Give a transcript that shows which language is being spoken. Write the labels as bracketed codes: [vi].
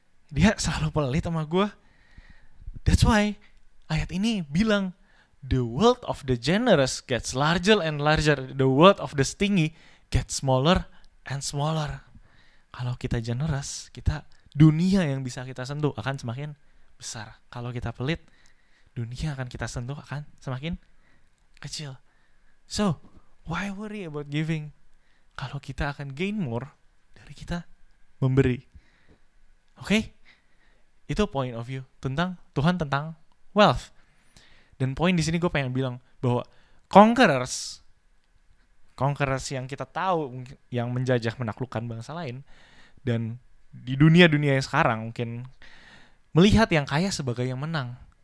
[id] Dia selalu pelit sama gue. [en] That's why [id] ayat ini bilang, [en] the world of the generous gets larger and larger. The world of the stingy gets smaller and smaller. [id] Kalau kita generous, kita dunia yang bisa kita sentuh akan semakin besar. Kalau kita pelit, dunia akan kita sentuh akan semakin kecil. [en] So, why worry about giving? [id] Kalau kita akan [en] gain more [id] dari kita memberi. Oke? Okay? Itu [en] point of view [id] tentang Tuhan, tentang wealth. Dan poin di sini gue pengen bilang bahwa conquerors yang kita tahu yang menjajah menaklukkan bangsa lain dan di dunia-dunia yang sekarang mungkin melihat yang kaya sebagai yang menang.